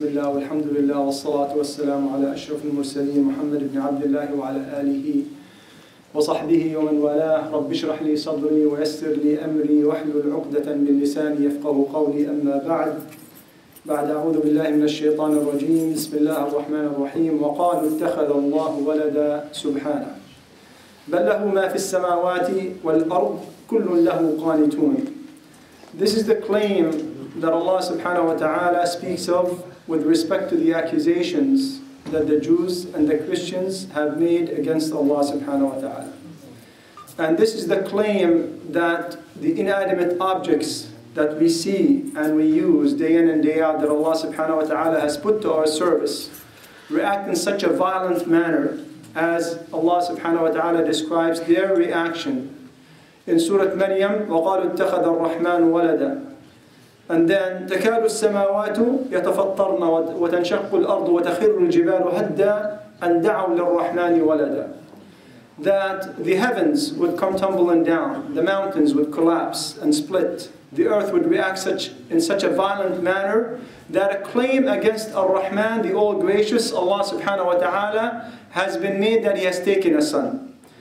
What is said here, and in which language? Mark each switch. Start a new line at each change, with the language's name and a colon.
Arabic: بالله والحمد لله والصلاة والسلام على أشرف المرسلين محمد بن عبد الله وعلى آله وصحبه ومن والاه رب اشرح لي صدري ويسر لي أمري واحلل عقدة من لساني يفقه قولي أما بعد أعوذ بالله من الشيطان الرجيم بسم الله الرحمن الرحيم وقالوا اتخذ الله ولدا سبحانه بل له ما في السماوات والأرض كل له قانتون.
English: This is the claim that Allah subhanahu wa ta'ala speaks of with respect to the accusations that the Jews and the Christians have made against Allah subhanahu wa ta'ala. And this is the claim that the inanimate objects that we see and we use day in and day out that Allah subhanahu wa ta'ala has put to our service react in such a violent manner as Allah subhanahu wa ta'ala describes their reaction in Surah Maryam,
Arabic: وَقَالُوا اتَّخَذَ الرَّحْمَنُ وَلَدًا.
English: And then
Arabic: تَكَادُ السَّمَاوَاتُ يَتَفَطَّرْنَ وَتَنْشَقُّ الْأَرْضُ وَتَخِرُّ الْجِبَالُ هَدًّا أَنْ دَعَوْا لِلرَّحْمَنِ وَلَدًا.
English: That the heavens would come tumbling down, the mountains would collapse and split, the earth would react in such a violent manner that a claim against Ar-Rahman, the All Gracious, Allah subhanahu wa ta'ala, has been made that He has taken a son.